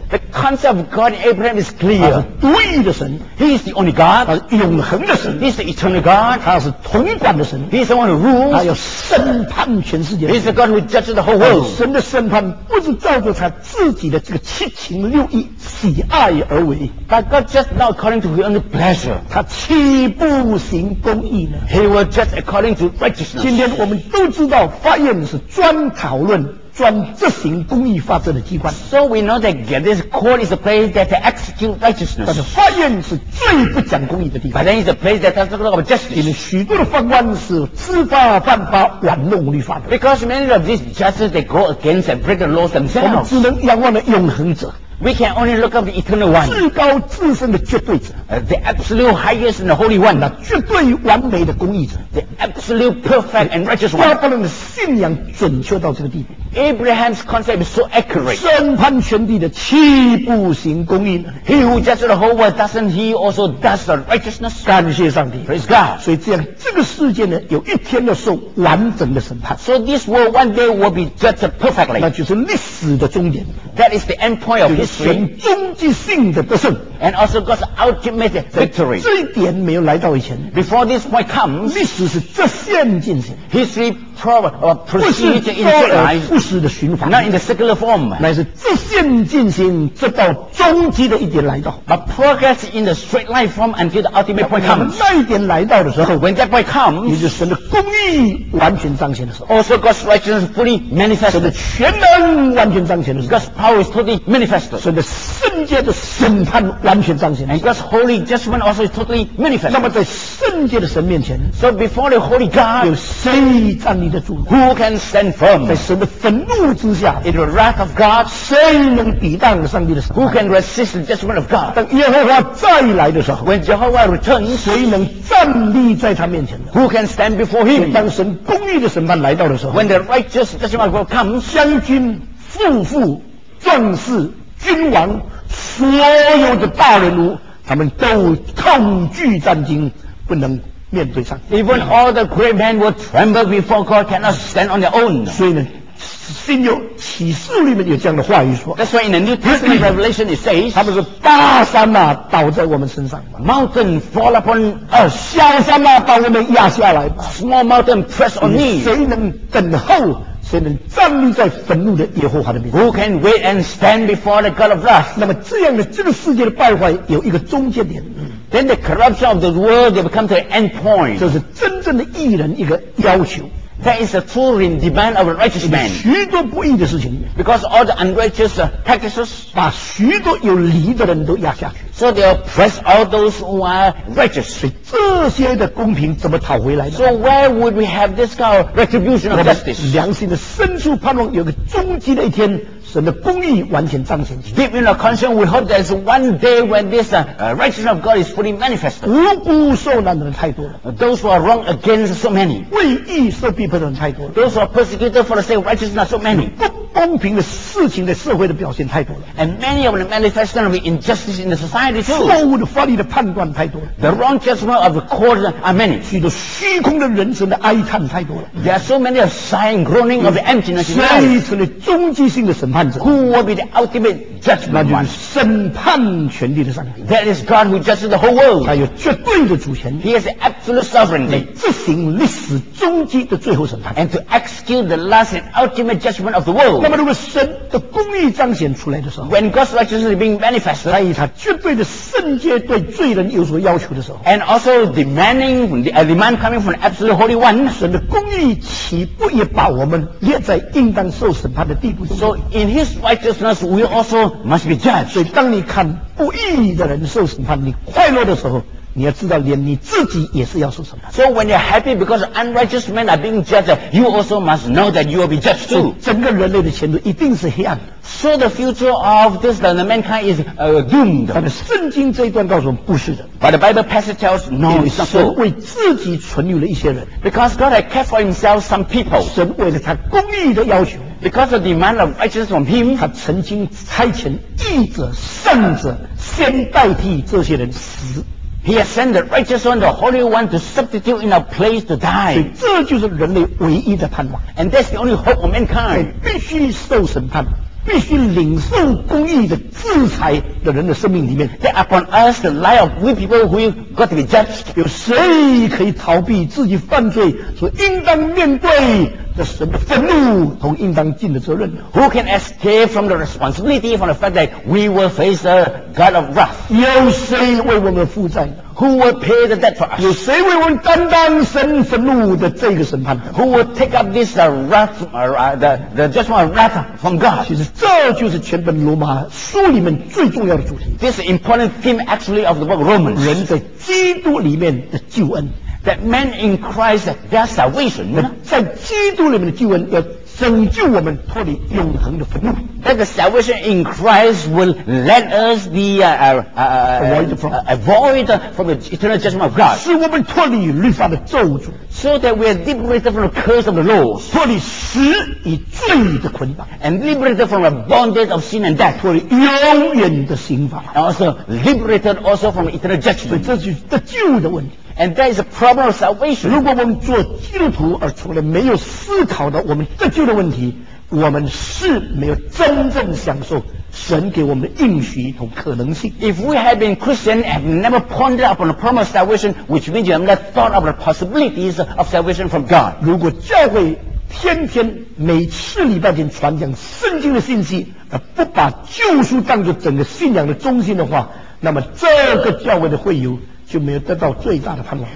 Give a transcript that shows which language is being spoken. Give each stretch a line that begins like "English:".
English: The concept of God in Abraham is clear
Chinese: 他是独一的神
English: He is the only God
Chinese: 他是永恒的神
English: He is the eternal God
Chinese: 他是统管的神
English: He is the one who rules
Chinese: 他要审判全世界
English: He is the God who judges the whole world
Chinese: 神的审判不是照着他自己的这个七情六欲喜爱而为
English: But God just not according to his own pleasure
Chinese: 他岂不行公义呢
English: He will judge according to righteousness
Chinese: 今天我们都知道法院是专讨论专执行公义法则的机关
English: So we know that this court is a place that execute righteousness
Chinese: 但是法院是最不讲公义的地方
English: But then it's a place that doesn't talk about justice
Chinese: 因为许多的法官是知法犯法玩弄律法的
English: Because many of these justices they go against and break the laws themselves
Chinese: 我们只能仰望的永恒者
English: We can only look up the eternal one
Chinese: 至高至圣的绝对者
English: The absolute highest and the holy one
Chinese: 那绝对完美的公义者
English: The absolute perfect and righteous one
Chinese: 亚伯拉罕的信仰准确到这个地步
English: Abraham's concept is so accurate.
Chinese: 审判全地的岂不行公义呢
English: He who judges the whole world, doesn't he also does the righteousness?
Chinese: 感谢上帝
English: Praise God.
Chinese: 所以这样这个世界呢有一天要受完整的审判
English: So this world one day will be judged perfectly.
Chinese: 那就是历史的终点
English: That is the end point of history.
Chinese: 神终极性的得胜
English: And also God's ultimate victory.
Chinese: 这一点没有来到以前
English: Before this point comes,
Chinese: 历史是直线进行
English: History proper or proceed in the life.
Chinese: 不死的循环。
English: Not in the secular form.
Chinese: 乃是直线进行，直到终极的一点来到。
English: But progress in the straight line form until the ultimate point comes.
Chinese: 那一点来到的时候
English: ，when that point comes，
Chinese: 也就是神的公义完全彰显的时候。
English: Also God's righteousness is fully manifested.
Chinese: 神的全能完全彰显的时候。
English: God's power is totally manifested.
Chinese: 神的圣洁的审判完全彰显的时候。
English: And God's holy judgment also is totally manifested.
Chinese: 那么在圣洁的神面前
English: ，So before the holy God，
Chinese: 有谁站立得住
English: ？Who can stand firm？
Chinese: 在神的愤怒之下
English: ，In the wrath of God，
Chinese: 谁能抵挡上帝的
English: ？Who can resist the judgment of God？
Chinese: 当耶和华再来的时候
English: ，When Jehovah returns，
Chinese: 谁能站立在他面前
English: ？Who can stand before Him？
Chinese: 当神公义的审判来到的时候
English: ，When the righteous judgment of God comes，
Chinese: 将军、父父、壮士、君王，所有的大人物，他们都恐惧战惊。不能面对上帝
English: Even all the great men will tremble before God cannot stand on their own
Chinese: 所以呢新约启示里面有这样的话语说
English: That's why in the New Testament Revelation it says
Chinese: 他们是大山啊倒在我们身上
English: Mountain fall upon us
Chinese: 小山啊把我们压下来
English: Small mountain press on me
Chinese: 谁能等候谁能站立在愤怒的耶和华的面前
English: Who can wait and stand before the God of wrath
Chinese: 那么这样的这个世界的败坏有一个终结点
English: Then the corruption of the world will come to an end point.
Chinese: 这是真正的义人一个要求。
English: That is the true demand of a righteous man.
Chinese: 许多不义的事情。
English: Because all the unrighteous practices
Chinese: 把许多有理的人都压下去。
English: So they'll press all those who are righteous.
Chinese: 所以这些的公平怎么讨回来呢
English: ？So where would we have this kind of retribution of justice?
Chinese: 良心的深处盼望有个终极的一天。神的公义完全彰显。
English: Deep in our conscience, we hope there is one day when this righteousness of God is fully manifested.
Chinese: 无辜受难的人太多了。
English: Those who are wrong against so many.
Chinese: 为义受逼迫的人太多了。
English: Those who are persecuted for the sake of righteousness so many.
Chinese: 不公平的事情在社会的表现太多了。
English: And many of the manifestations of injustice in the society too.
Chinese: 错误的、法律的判断太多了。
English: The wrong judgment of the court are many.
Chinese: 许多虚空的人生的哀叹太多了。
English: There are so many a sighing, groaning of the emptiness.
Chinese: 所以成了终极性的审判。
English: Who will be the ultimate judgment?
Chinese: 那就是审判全地的上帝。
English: That is God who judges the whole world.
Chinese: 他有绝对的主权。
English: He has absolute sovereignty.
Chinese: 执行历史终极的最后审判。
English: And to execute the last and ultimate judgment of the world.
Chinese: 那么如果神的公义彰显出来的时候
English: ，When God's righteousness is being manifested，
Chinese: 他以他绝对的圣洁对罪人有所要求的时候
English: ，And also demanding a demand coming from the absolute holy one，
Chinese: 神的公义岂不也把我们列在应当受审判的地步
English: ？So in His righteousness, we also must be judged.
Chinese: 所以当你看不义的人受审判，你快乐的时候，你要知道连你自己也是要受审判。
English: So when you're happy because unrighteous men are being judged, you also must know that you will be judged too.
Chinese: 整个人类的前途一定是黑暗的。
English: So the future of this the mankind is doomed.
Chinese: 但是圣经这一段告诉我们不是的。
English: But the Bible passage tells no, it's not so.
Chinese: 神为自己存留了一些人。
English: Because God had kept for himself some people.
Chinese: 神为了他公义的要求。
English: Because the demand of righteousness from him,
Chinese: 他曾经差遣义者、圣者先代替这些人死。
English: He has sent the righteous one, the holy one, to substitute in a place to die.
Chinese: 所以这就是人类唯一的盼望。
English: And that's the only hope of mankind.
Chinese: 必须受审判，必须领受公义的制裁的人的生命里面。
English: That upon us, the life of we people who got to be judged.
Chinese: 有谁可以逃避自己犯罪所应当面对的神的愤怒同应当尽的责任
English: Who can escape from the responsibility from the fact that we will face the God of wrath?
Chinese: 有谁为我们负债
English: Who will pay the debt for us?
Chinese: 有谁为我们担当神愤怒的这个审判
English: Who will take up this wrath, the judgment of wrath from God?
Chinese: 其实这就是全本罗马书里面最重要的主题
English: This important theme actually of the book of Romans
Chinese: 人在基督里面的救恩
English: That man in Christ, their salvation,
Chinese: 在基督里面的救恩要拯救我们脱离永恒的愤怒。
English: That the salvation in Christ will let us be avoid from the eternal judgment of God.
Chinese: 使我们脱离律法的咒诅。
English: So that we are liberated from the curse of the law.
Chinese: 脱离死与罪的捆绑。
English: And liberated from the bondage of sin and death.
Chinese: 脱离永远的刑罚。
English: And also liberated also from eternal judgment.
Chinese: 这就是救的问题。
English: And that is a problem of salvation.
Chinese: 如果我们做基督徒而从来没有思考到我们得救的问题，我们是没有真正享受神给我们的应许同可能性。
English: If we had been Christian and never pondered upon the promise of salvation, which means you have not thought of the possibilities of salvation from God.
Chinese: 如果教会天天每次礼拜天传讲圣经的信息，而不把救赎当作整个信仰的中心的话，那么这个教会的会友就没有得到最大的盼望。